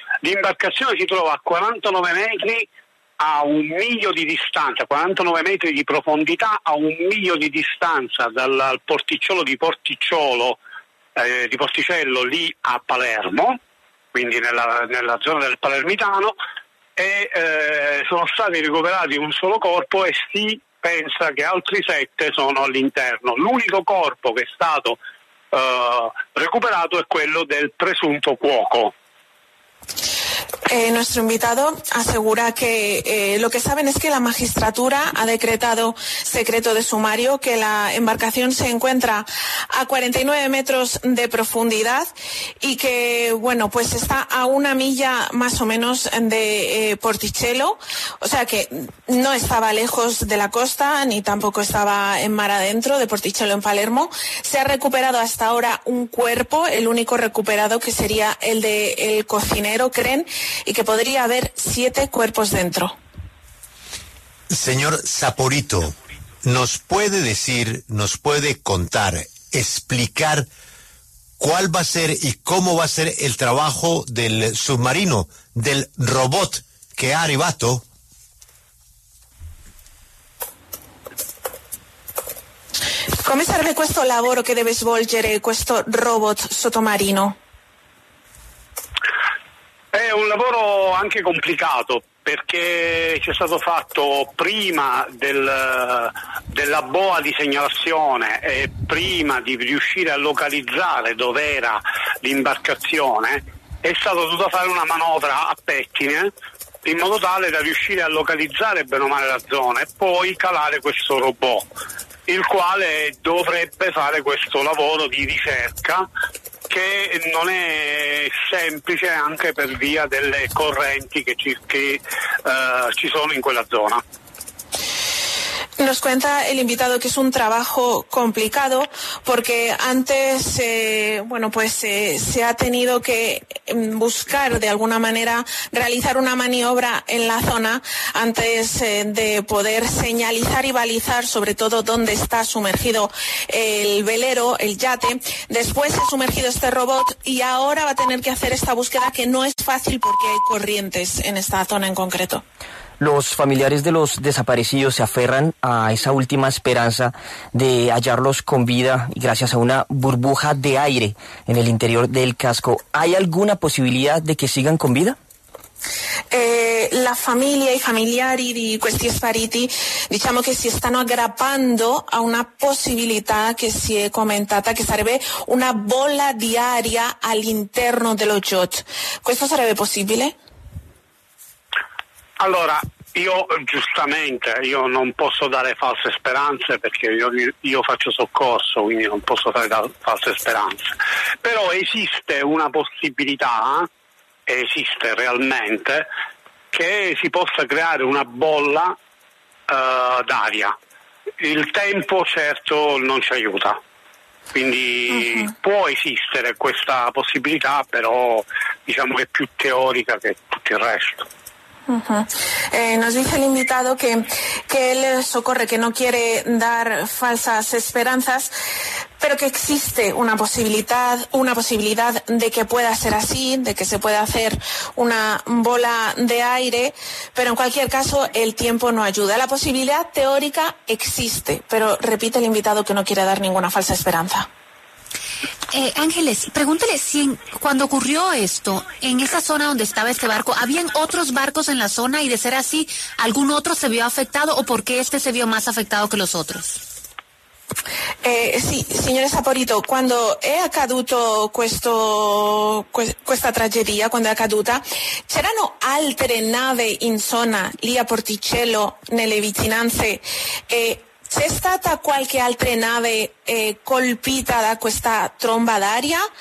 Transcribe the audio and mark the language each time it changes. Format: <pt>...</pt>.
<it>L'imbarcazione si trova a 49 metri a un miglio di distanza, 49 metri di profondità a un miglio di distanza dal porticciolo di Porticciolo, di Porticello lì a Palermo, quindi nella zona del Palermitano, e sono stati recuperati un solo corpo e si pensa che altri 7 sono all'interno. L'unico corpo che è stato recuperato è quello del presunto cuoco.</it> <es>Nuestro invitado asegura que lo que saben es que la magistratura ha decretado secreto de sumario, que la embarcación se encuentra a 49 metros de profundidad y que, bueno, pues está a una milla más o menos de Porticello, o sea que no estaba lejos de la costa ni tampoco estaba en mar adentro de Porticello en Palermo. Se ha recuperado hasta ahora un cuerpo, el único recuperado, que sería el de el cocinero, creen, y que podría haber 7 cuerpos dentro. Señor Saporito, ¿nos puede decir, nos puede contar, explicar cuál va a ser y cómo va a ser el trabajo del submarino, del robot que ha arribado? ¿Cómo sirve este trabajo que debe</es> <it>svolgere</it> <es>este robot</es> <it>sottomarino? È un lavoro anche complicato perché c'è stato fatto prima della boa di segnalazione e prima di riuscire a localizzare dov'era l'imbarcazione, è stato dovuto fare una manovra a pettine in modo tale da riuscire a localizzare bene o male la zona e poi calare questo robot, il quale dovrebbe fare questo lavoro di ricerca che non è semplice anche per via delle correnti che ci sono in quella zona.</it> <es>Nos cuenta el invitado que es un trabajo complicado porque antes se ha tenido que buscar de alguna manera realizar una maniobra en la zona antes de poder señalizar y balizar sobre todo dónde está sumergido el velero, el yate. Después se ha sumergido este robot y ahora va a tener que hacer esta búsqueda que no es fácil porque hay corrientes en esta zona en concreto. Los familiares de los desaparecidos se aferran a esa última esperanza de hallarlos con vida gracias a una burbuja de aire en el interior del casco. ¿Hay alguna posibilidad de que sigan con vida? La familia y</es> <it>familiari di questi spariti diciamo che si stanno aggrappando a una possibilità che si è commentata che sarebbe una bolla di aria all'interno dello yacht. ¿Questo sarebbe possibile? Allora, io non posso dare false speranze perché io faccio soccorso, quindi non posso dare false speranze. Però esiste una possibilità, esiste realmente, che si possa creare una bolla d'aria. Il tempo certo non ci aiuta, quindi può esistere questa possibilità, però diciamo che è più teorica che tutto il resto.</it> <es>Nos dice el invitado que él socorre, que no quiere dar falsas esperanzas, pero que existe una posibilidad de que pueda ser así, de que se pueda hacer una bola de aire, pero en cualquier caso el tiempo no ayuda. La posibilidad teórica existe, pero repite el invitado que no quiere dar ninguna falsa esperanza. Ángeles, pregúntele si cuando ocurrió esto, en esa zona donde estaba este barco, ¿habían otros barcos en la zona y de ser así, algún otro se vio afectado o por qué este se vio más afectado que los otros? Sí, señor Saporito, cuando</es> <it>è accaduto questa tragedia, quando è accaduta, c'erano altre navi in zona, lì a Porticello, nelle vicinanze, c'è stata qualche altra nave colpita da questa tromba d'aria?</it>